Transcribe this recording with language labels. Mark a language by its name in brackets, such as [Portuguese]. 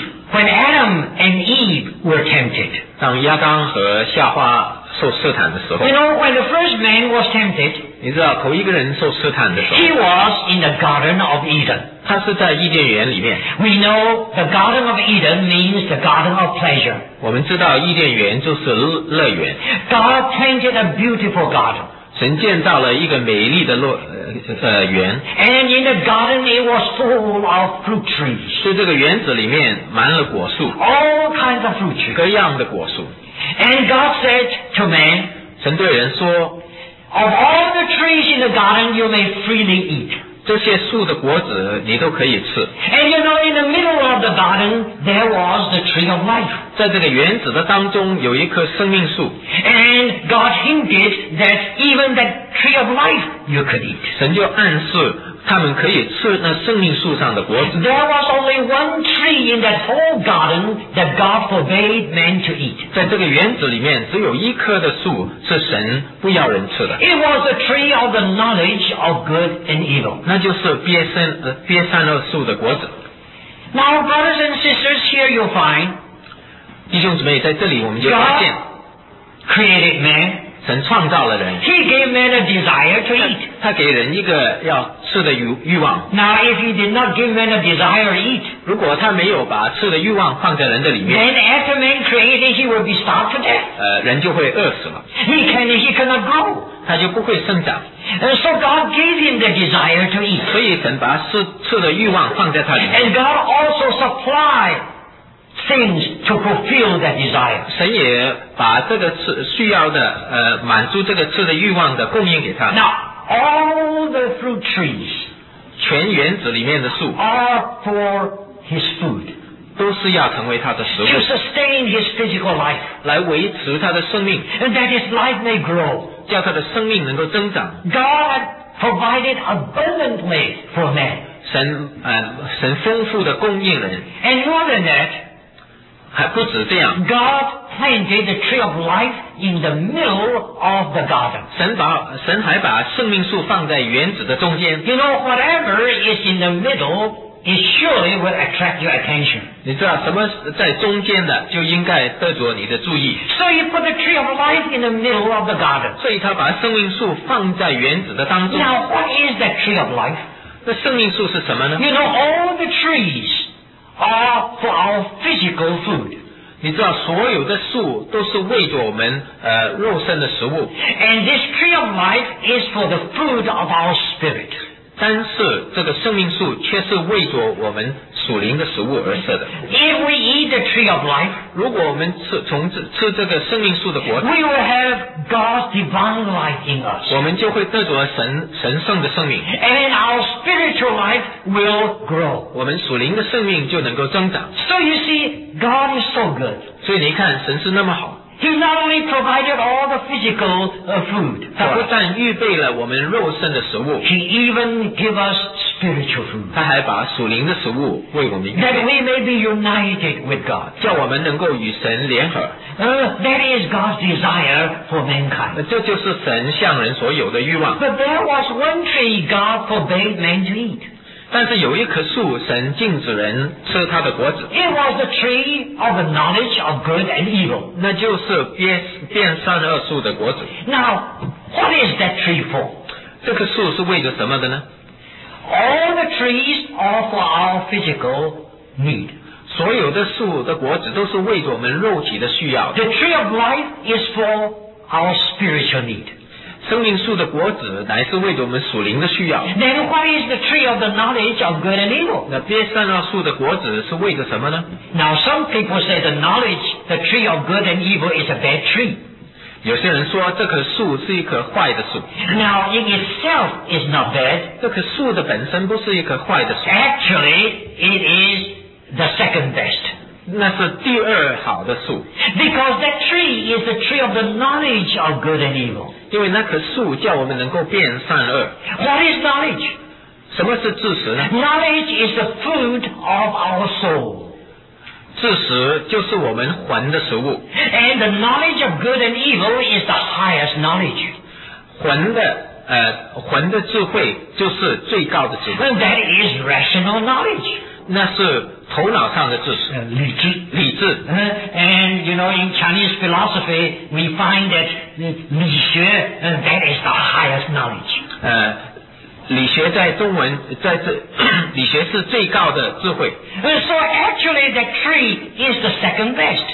[English] When Adam and Eve were tempted, [Chinese] 当亚当和夏娃受试探的时候 [English] you know, when the first man was tempted, [Chinese] 你知道头一个人受试探的时候 [English] he was in the Garden of Eden. [Chinese] 他是在伊甸园里面 [English] We know the Garden of Eden means the Garden of Pleasure. [Chinese] 我们知道伊甸园就是乐园 [English] God planted a beautiful garden. [Chinese] 神建造了一个美丽的乐园 [English] And in the garden it was full of fruit trees. [Chinese] 在这个园子里面满了果树 [English] All kinds of fruit trees. [Chinese] 各样的果树 [English] And God said to man, [Chinese] 神对人说 [English] Of all the trees in the garden you may freely eat. [Chinese] 这些树的果子你都可以吃 [English] And you know in the middle of the garden there was the tree of life. [Chinese] 在这个园子的当中有一棵生命树 [English] And God hinted that even that tree of life you could eat. [Chinese] 神就暗示他们可以吃那生命树上的果子。 [English] There was only one tree in that whole garden that God forbade man to eat. [Chinese] 在这个园子里面只有一棵的树是神不要人吃的。 [English] It was the tree of the knowledge of good and evil. [Chinese] 那就是别善恶树的果子。 [English] Now, brothers and sisters, here you'll find, [Chinese] 弟兄姊妹在这里我们就发现 [English] God created man. [Chinese] 神创造了人 [English] He gave man a desire to eat [Chinese] 他给人一个要吃的欲望 [English] Now if he did not give man a desire to eat [Chinese] 如果他没有把吃的欲望放在人的里面 [English] Then after man created he will be starved to death [Chinese] 人就会饿死了 [English] He cannot grow [Chinese] 他就不会生长 [English] So God gave him the desire to eat [Chinese] 所以神把吃的欲望放在他里面 [English] And God also supplied things to fulfill that desire [Chinese] 神也把这个需要的满足这个吃的欲望的供应给他 [English] Now all the fruit trees [Chinese] 全园子里面的树 [English] are for his food [Chinese] 都是要成为他的食物 [English] to sustain his physical life [Chinese] 来维持他的生命 [English] and that his life may grow [Chinese] 叫他的生命能够增长 [English] God provided abundantly for man [Chinese] 神丰富的供应人 [English] and more than that [Chinese] 还不止这样 [English] God planted the tree of life in the middle of the garden [Chinese] 神还把生命树放在园子的中间 [English] You know whatever is in the middle it surely will attract your attention. [Chinese] 你知道什么在中间的就应该得着你的注意。 [English] So he put the tree of life in the middle of the garden. [Chinese] 所以他把生命树放在园子的当中。 [English] Now what is that tree of life? [Chinese] 那生命树是什么呢？ [English] You know, all the trees are for our physical food. [Chinese] 你知道所有的树都是为着我们肉身的食物。 [English] And this tree of life is for the food of our spirit. [Chinese] 但是这个生命树却是为着我们属灵的食物而设的。 [English] If we eat the tree of life, [Chinese] 如果我们吃这个生命树的果子， [English] we will have God's divine life in us. [Chinese] 我们就会得着神圣的生命。 [English] And our spiritual life will grow. [Chinese] 我们属灵的生命就能够增长。 [English] So you see, God is so good. [Chinese] 所以你看，神是那么好。 [English] He not only provided all the physical food, [Chinese] 他不但预备了我们肉身的食物， [English] He even gave us spiritual food. [Chinese] 他还把属灵的食物为我们预备。 [English] That we may be united with God. [Chinese] 叫我们能够与神联合。 [English] That is God's desire for mankind. [Chinese] 这就是神向人所有的欲望。 [English] But there was one tree God forbade man to eat. [Chinese] 但是有一棵树神禁止人吃它的果子。 [English] It was the tree of the knowledge of good and evil. [Chinese] 那就是辨善恶树的果子。 [English] Now, what is that tree for? [Chinese] 这棵树是为着什么的呢？ [English] All the trees are for our physical need. [Chinese] 所有的树的果子都是为着我们肉体的需要的。 [English] The tree of life is for our spiritual need. [Chinese] 生命树的果子乃是为着我们属灵的需要。 [English] Then what is the tree of the knowledge of good and evil? [Chinese] 那别善恶树的果子是为着什么呢？ [English] Now some people say the knowledge, the tree of good and evil is a bad tree. [Chinese] 有些人说这棵树是一棵坏的树。 [English] Now in itself is not bad. [Chinese] 这棵树的本身不是一棵坏的树。 [English] Actually, it is the second best. [Chinese] 那是第二好的树。 [English] Because that tree is the tree of the knowledge of good and evil. [Chinese] 因为那棵树叫我们能够辨善恶。 [English] What is knowledge? [Chinese] 什么是知识呢？ [English] Knowledge is the food of our soul. [Chinese] 知识就是我们魂的食物。 [English] And the knowledge of good and evil is the highest knowledge. [Chinese] 魂的智慧就是最高的智慧。 [English] And that is rational knowledge. [Chinese] 那是头脑上的知识，理智。 [English] And you know, in Chinese philosophy, we find that 理学 that is the highest knowledge. [Chinese] 理学在中文在这理学是最高的智慧。 [English] So actually, the tree is the second best.